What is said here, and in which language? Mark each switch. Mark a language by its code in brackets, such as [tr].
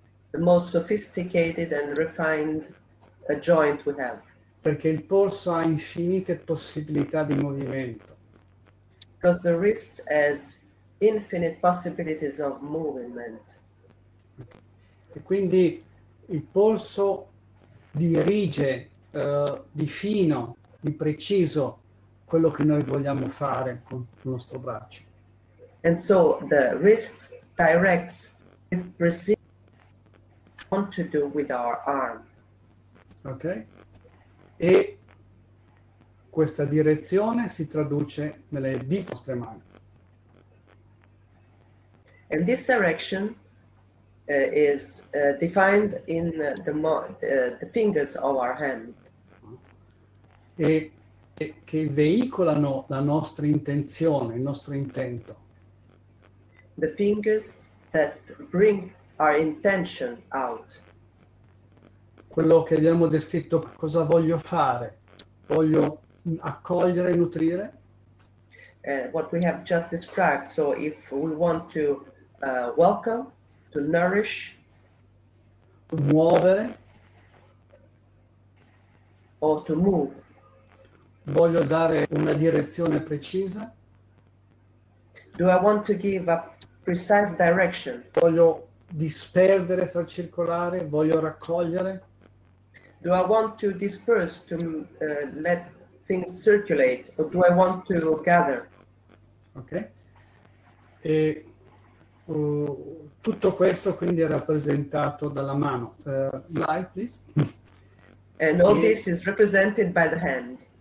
[en] The most sophisticated and refined a joint we have. [it] Perché il polso ha infinite possibilità di movimento. [en] Because the wrist has infinite possibilities of movement. [it] E quindi il polso dirige di fino, di preciso quello che noi vogliamo fare con il nostro braccio. [en] And so the wrist directs with precision what we want to do with our arm. Ok? [it] E questa direzione si traduce nelle dita nostre mani. [en] And this direction is defined in the fingers of our hand. [it] E che veicolano la nostra intenzione, il nostro intento. [en] The fingers that bring our intention out. [it] Quello che abbiamo descritto, cosa voglio fare? Voglio accogliere e nutrire? [en] What we have just described, so if we want to welcome, to nourish, [it] muovere, [en] o to move. [it] Voglio dare una direzione precisa. [en] Do I want to give a precise direction? [it] Voglio disperdere, far circolare, voglio raccogliere. [en] Do I want to disperse, to let things circulate, or do I want to gather? Okay. [it] E tutto questo quindi è rappresentato dalla mano. [en] Slide, please. And all this is represented by the hand.